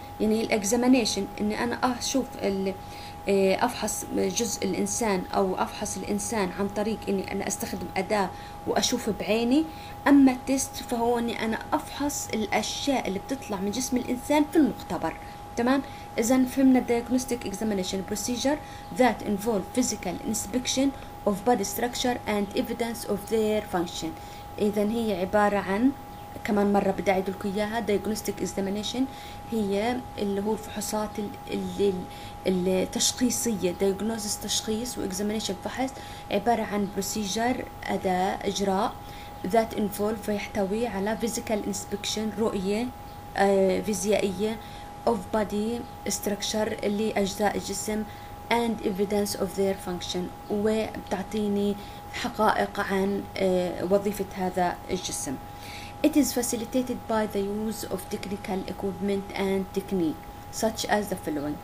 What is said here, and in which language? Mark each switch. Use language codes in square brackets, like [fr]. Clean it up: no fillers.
[ar] يعني الإكزامينيشن إني أنا أشوف أفحص جزء الإنسان أو أفحص الإنسان عن طريق إني أنا أستخدم أداة وأشوف بعيني. أما التيست فهو إني أنا أفحص الأشياء اللي بتطلع من جسم الإنسان في المختبر. تمام؟ إذا فهمنا [en] diagnostic examination procedure that involve physical inspection of body structure and evidence of their function. [ar] إذا هي عبارة عن، كمان مرة بدي أعيد لكم إياها، [en] diagnostic examination [ar] هي اللي هو الفحوصات التشخيصية، diagnosis تشخيص و examination فحص، عبارة عن procedure أداة إجراء [en] that involve [ar] فيحتوي على [en] physical inspection [ar] رؤية فيزيائية [en] of body structure [ar] لأجزاء الجسم [en] and evidence of their function، [ar] وبتعطيني حقائق عن وظيفة هذا الجسم. [en] It is facilitated by the use of technical equipment and technique such as the following.